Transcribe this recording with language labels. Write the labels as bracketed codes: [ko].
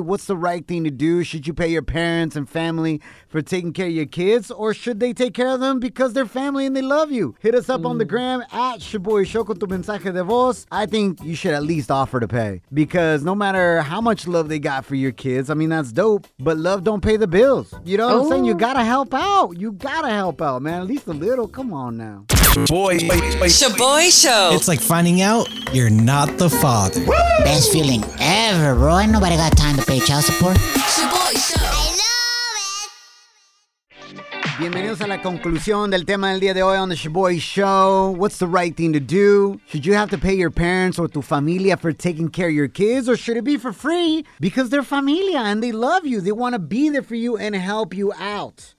[en] What's the right thing to do? Should you pay your parents and family for taking care of your kids, or should they take care of them because they're family and they love you? Hit us up on the gram at Shaboy Show [es] con tu mensaje de voz. [en] I think you should at least offer to pay, because no matter how much love they got for your kids, I mean, that's dope, but love don't pay the bills. You know what I'm saying? You gotta help out. You gotta help out, man. At least a little. Come on now. Boy, Shaboy Show. It's like finding out you're not the father. Woo! Best feeling ever, bro. Ain't nobody got time to pay child support. Shaboy Show. [es] Bienvenidos a la conclusión del tema del día de hoy on the Shaboy Show. [en] What's the right thing to do? Should you have to pay your parents or [es] tu familia [en] for taking care of your kids? Or should it be for free? Because they're familia and they love you. They want to be there for you and help you out.